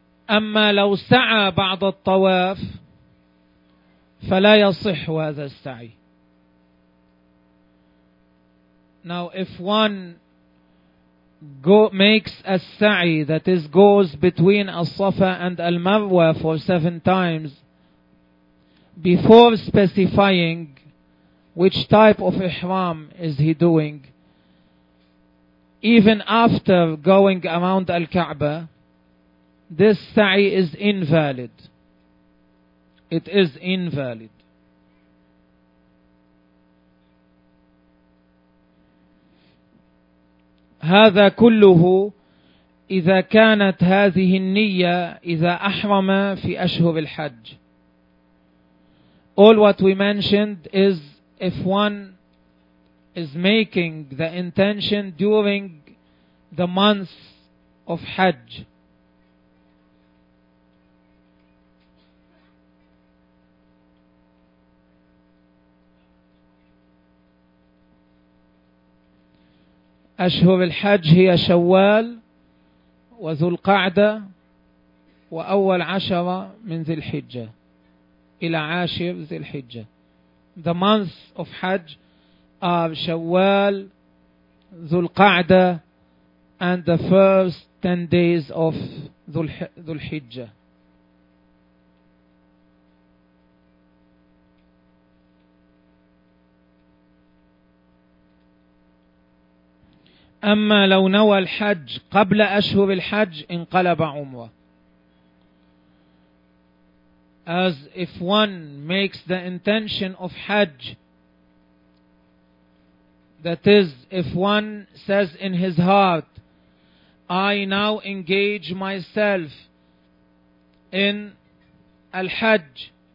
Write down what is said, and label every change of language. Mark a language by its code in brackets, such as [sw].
[ar] أما لو سعى بعض الطواف فلا يصح هذا السعي. [en] Now if one makes a sa'i that is goes between al-Safa and al-Marwa for 7 times before specifying which type of ihram is he doing, even after going around al-Ka'bah, this sa'i is invalid. It is invalid. [ar] هذا كله إذا كانت هذه النية إذا أحرم في أشهر الحج. [en] All what we mentioned is if one is making the intention during the months of Hajj. [ar] أشهر الحج هي شوال وذو القعدة وأول عشرة من ذي الحجة إلى عاشر ذي الحجة. [en] The months of Hajj are شوال, ذو القعدة and the first 10 days of ذو الحجة. [ar] أما لو نوى الحج قبل أشهر الحج انقلب عمره. [en] As if one makes the intention of Hajj, that is, if one says in his heart, I now engage myself in al-Hajj